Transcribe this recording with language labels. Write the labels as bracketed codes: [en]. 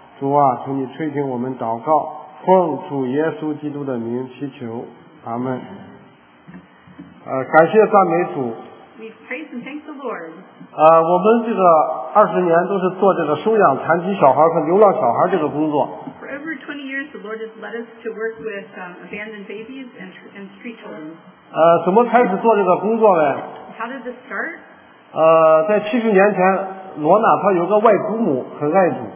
[zh] 主啊，求你垂听我们祷告，奉主耶稣基督的名祈求，阿们。感谢赞美主。 [en] We praise and thank the Lord. [zh] 我们这个二十年都是做这个收养残疾小孩和流浪小孩这个工作。 [en] For over 20 years, the Lord has led us to work with abandoned babies and street children. [zh] 怎么开始做这个工作呢？ [en] How did this start? [zh] 在70年前，罗娜她有个外祖母很爱主。